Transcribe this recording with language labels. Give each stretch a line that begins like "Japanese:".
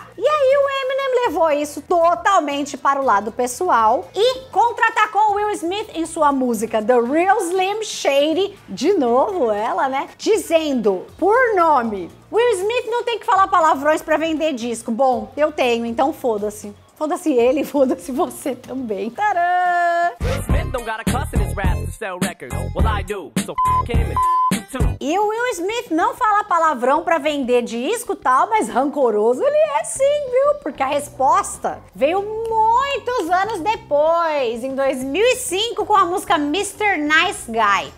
Portuguese: E aí o Eminem levou isso totalmente para o lado pessoal e contra-atacou Will Smith em sua música The Real Slim Shady, de novo ela, né? Dizendo, por nome, Will Smith não tem que falar palavrões pra vender disco. Bom, eu tenho, então foda-se. Foda-se ele, foda-se você também. Tadã!
English: Will Smith don't got a cuss in his rap to sell records. Well, I do, so f*** him and f*** you too.
Portuguese: E o Will Smith não fala palavrão pra vender disco e tal, mas rancoroso ele é sim, viu? Porque a resposta veio muitos anos depois, em 2005, com a música Mr. Nice Guy.